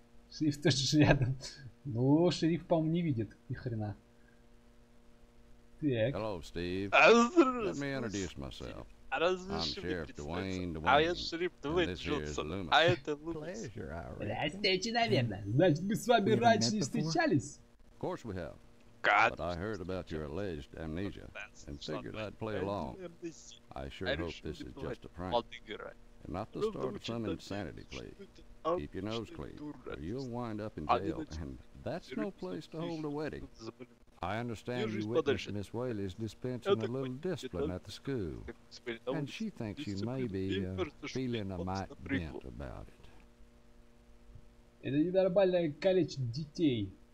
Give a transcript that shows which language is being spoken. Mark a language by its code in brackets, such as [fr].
[ru] Шериф тоже рядом. Ну, шериф, по-моему, не видит ни хрена. Так. [en] Hello, Steve. Let me introduce myself. I'm Sheriff Duane Duane. And this here is Loomis. Pleasure, Ari. [ru] Значит, мы с вами раньше не встречались? [en] Of course we have. But I heard about your alleged amnesia, and figured I'd play along. I sure hope this is just a prank, and not the start of some insanity plea. Keep your nose clean, or you'll wind up in jail, and that's no place to hold a wedding. I understand you witnessed Miss Whaley's dispensing a little discipline at the school, and she thinks you may be feeling a mite bent about it. [ru] Это не нормальное количество детей.